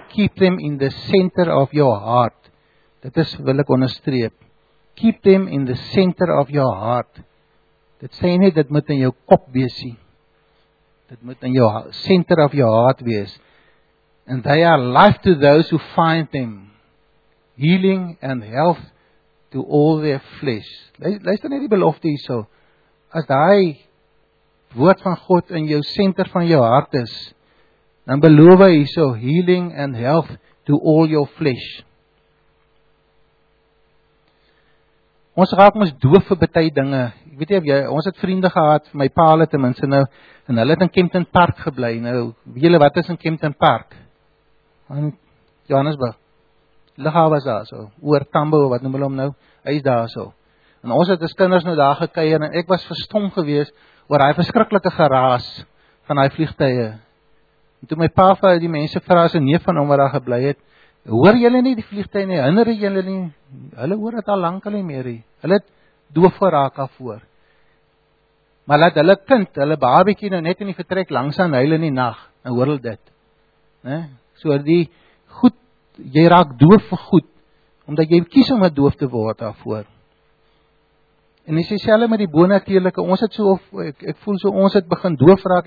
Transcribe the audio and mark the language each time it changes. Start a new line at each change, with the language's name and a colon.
English: Keep them in the center of your heart.
Afrikaans: Dit is wil ek onderstreep.
English: Keep them in the center of your heart.
Afrikaans: Dit sê nie, dit moet in jou kop wees nie. Dit moet in jou
English: center of your heart
Afrikaans: wees.
English: And they are life to those who find them. Healing and health to all their flesh.
Afrikaans: Luister net die belofte hierso. As daai woord van God in jou center van jou hart is, dan beloof hy so
English: healing and health to all your flesh.
Afrikaans: Ons raak ons doof vir baie dinge. Ek weet nie of jy, ons het vriende gehad, my pa het ten minste nou, en hulle het in Kempton Park gebly. Nou, weet julle wat is in Kempton Park? In Johannesburg. Lighawe was daar so, oor Tambo, wat noem hulle hom nou? Hy is daar so. En ons het as kinders nou daar gekuier, en ek was verstom gewees, oor hy verskriklike geraas van hy vliegtuie. En toe my pa vir die mense vra as 'n neef van hom wat daar gebly het, hoor julle nie die vliegtuie nie, hinder julle nie, hulle hoor dit al lank al nie meer nie. Hulle het doof geraak daarvoor. Maar laat hulle kind, hulle babietjie nou net in die vertrek langs aan huil in die nag, en hoor hulle dit. So die goed, jy raak doof vir goed, omdat jy kies om 'n doof te word daarvoor. En dis dieselfde met die bonatuurlike. Ons het so of ek voel so ons het begin doof raak.